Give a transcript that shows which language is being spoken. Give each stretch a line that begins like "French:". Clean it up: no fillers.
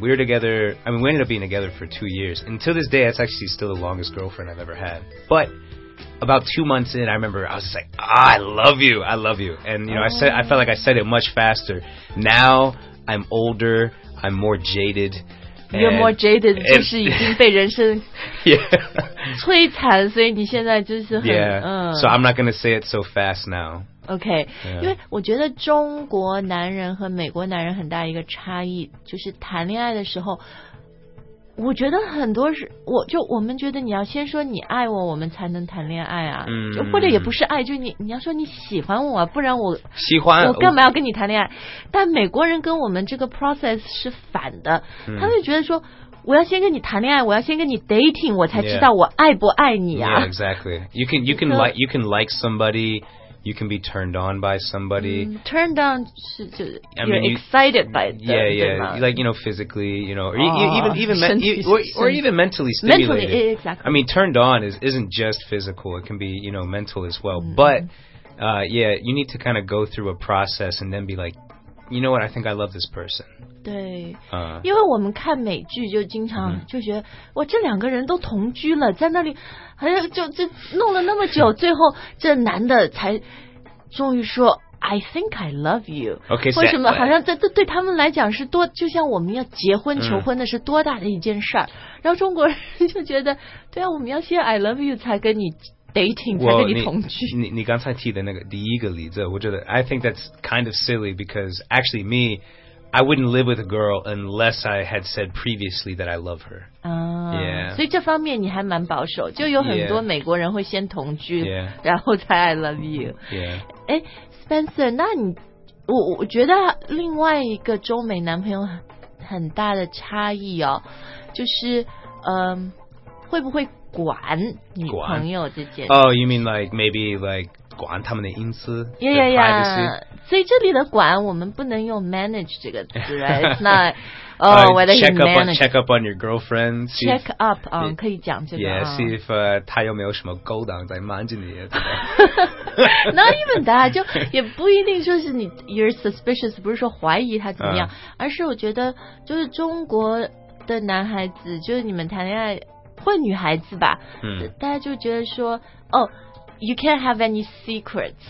English: We were together, we ended up being together for 2 years. Until this day, that's actually still the longest girlfriend I've ever had. But about 2 months in, I remember I was just like, I love you. And, you know,、oh. I felt like I said it much faster. Now I'm older, I'm more jaded. You're more jaded,
Chinese: 就是已经被人生
English: yeah.
Chinese: 摧残，所以你现在就是很
English: yeah.、嗯、 So I'm not going to say it so fast now. Okay.、 Yeah.
Chinese: 因为我觉得中国男人和美国男人很大一个差异，就是谈恋爱的时候，我觉得很多是，我们觉得你要先说你爱我，我们才能谈恋爱啊。嗯。就或者也不是爱，就你要说你喜欢我，不然我喜欢我干嘛要跟你谈恋爱？但美国人跟我们这个 process 是反的，他们觉得说我要先跟你谈恋爱，我要先跟你 dating， 我才知道我爱不爱你啊。
English: Yeah, exactly. You can like somebody. You can be turned on by somebody.、 Mm, turned on, excited by them. Yeah, yeah. Like, you know, physically, you know, or even mentally stimulated. Mentally, exactly. I mean, turned on isn't just physical. It can be, you know, mental as well.、Mm. But, you need to kind of go through a process and then be like, you know what, I think I love this person.
Chinese: 对、因为我们看美剧就经常就觉得、嗯、哇这两个人都同居了在那里还有就弄了那么久最后这男的才终于说
English: I think I love you. Okay, so.
Chinese: 为什么好像这对他们来讲是多就像我们要结婚求婚的是多大的一件事儿、嗯、然后中国人就觉得对啊我们要先
English: I love you
Chinese: 才跟你 dating, 才跟你同居。你刚才提的那个第一个例子我觉得
English: I think that's kind of silly because actually me,I wouldn't live with a girl unless I had said previously that I love her. So in this
Chinese: 方面你还蛮保守就有很多美国人会先同居、
English: yeah.
Chinese: 然后才 I love you.
English: Yeah.
Chinese: Spencer, 那你 我觉得另外一个中美男朋友 很大的差异哦就是、会不会管女朋友这件
English: 事 Oh, you mean like maybe like
Chinese: 管他们的隐私
English: yeah, yeah, yeah.
Chinese: 所以这里的管我们不能用 manage 这个词 right?
English: It's not oh, whether he managed check up on your girlfriend
Chinese: check up 可以讲这个
English: yeah, see if
Chinese: 他有没有什么勾当在瞒着你 not even that 就也不一定说是你
English: you're suspicious
Chinese: 不是说怀疑他怎么样、而是我觉得就是中国的男孩子就是你们谈恋爱或女孩子吧、嗯、大家就觉得说哦
English: You can't have any secrets.